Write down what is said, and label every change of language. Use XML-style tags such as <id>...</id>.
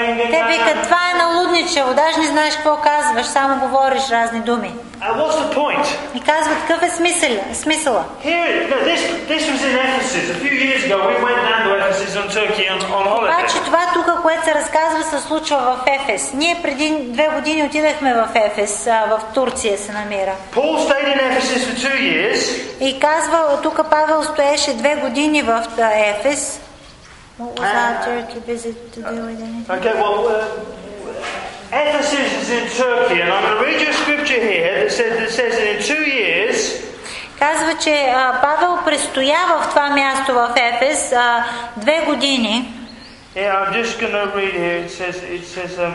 <bg>Те викат, това е налудничаво, даже не знаеш какво казваш, само говориш разни думи.</bg> <en>What's the point?</en> <bg>И казват, какъв е смисъла?</bg> <en>This was in Ephesus. A few years ago we went down to Ephesus on Turkey on holiday.</en> <bg>Обаче това тук, което се разказва, се случва в Ефес. Ние преди 2 години отидахме в Ефес, в Турция се намира.</bg> <en>Paul stayed in Ephesus for 2 years.</en> <bg>И казва, тук Павел стоеше 2 години в Ефес.</bg> <en>What was that Turkey visit to do with anything? Okay, well, Ephesus is in Turkey, and I'm going to read you a scripture here that says that in 2 years.</en> <bg>Казва, че Павел престоява в това място в Ефес 2 години.</bg> <en>Yeah, I'm just going to read here. It says.</en>